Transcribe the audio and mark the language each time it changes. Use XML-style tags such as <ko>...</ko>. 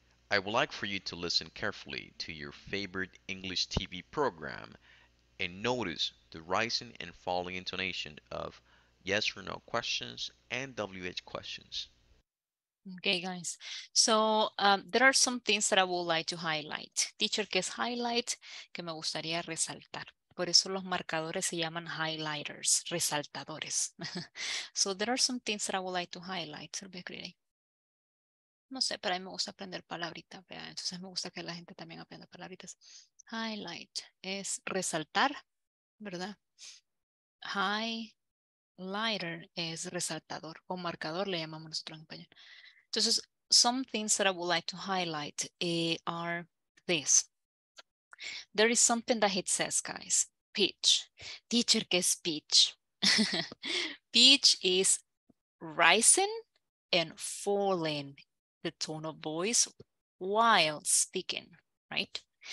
<en>I would like for you to listen carefully to your favorite English TV program and notice the rising and falling intonation of yes or no questions and WH questions. Okay, guys. So there are some things that I would like to highlight.</en> <es>Teacher, ¿qué es highlight? Que me gustaría resaltar. Por eso los marcadores se llaman highlighters, resaltadores.</es> <en>So there are some things that I would like to highlight.</en> <es>No sé, pero a mí me gusta aprender palabritas, ¿vea? Entonces me gusta que la gente también aprenda palabritas. Highlight es resaltar, ¿verdad? Highlighter es resaltador o marcador, le llamamos nosotros en español.</es> <en>Entonces, some things that I would like to highlight are this. There is something that it says, guys. Pitch. Teacher,</en> <es>¿qué es pitch?</es> <en>Pitch is rising and falling the tone of voice while speaking, right?</en>